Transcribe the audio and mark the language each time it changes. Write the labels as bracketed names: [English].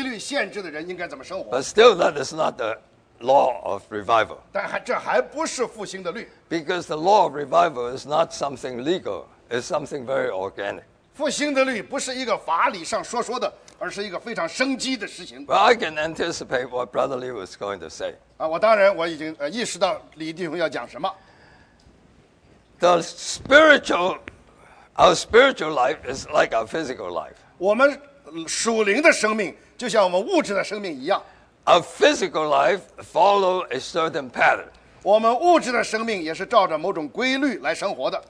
[English] But still, that is not the law of revival. Because the law of revival is not something legal, it's something very organic. [Chinese] 复兴的律不是一个法理上说说的，而是一个非常生机的实行。 [English] Well, I can anticipate what Brother Lee was going to say. [Chinese] 我当然我已经意识到李弟兄要讲什么。 [English] The spiritual, our spiritual life is like our physical life. [Chinese] 我们属灵的生命就像我们物质的生命一样。 [English] Our physical life follows a certain pattern. [Chinese] 我们物质的生命也是照着某种规律来生活的。